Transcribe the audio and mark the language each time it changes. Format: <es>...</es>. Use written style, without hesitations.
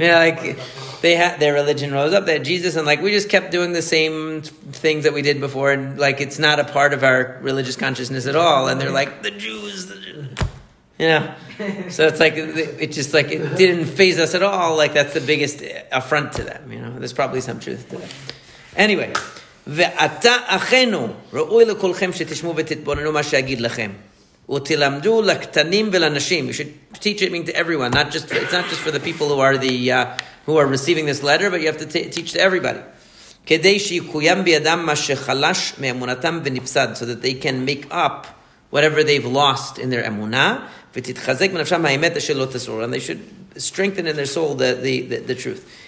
<en>You know, like, they had their religion rose up, they had Jesus, and like, we just kept doing the same things that we did before, and like, it's not a part of our religious consciousness at all. And they're like, the Jews. You know? So it's like, it just like, it didn't faze us at all. Like, that's the biggest affront to them, you know? There's probably some truth to that. Anyway.</en> <he>ואתה אחינו ראוי לכולכם שתשמעו ותתבוננו מה שאגיד לכם ותלמדו לקטנים ולנשים.</he> <en>You should teach it, mean to everyone, not just it's not just for the people who are the who are receiving this letter, but you have to teach to everybody.</en> <he>כדי שיקוים בידם מה שחלש מאמונתם ונפסד,</he> <en>so that they can make up whatever they've lost in their אמונה,</en> <he>ותתחזק בנפשם האמת אשר לא תסור,</he> <en>and they should strengthen in their soul the truth.</en>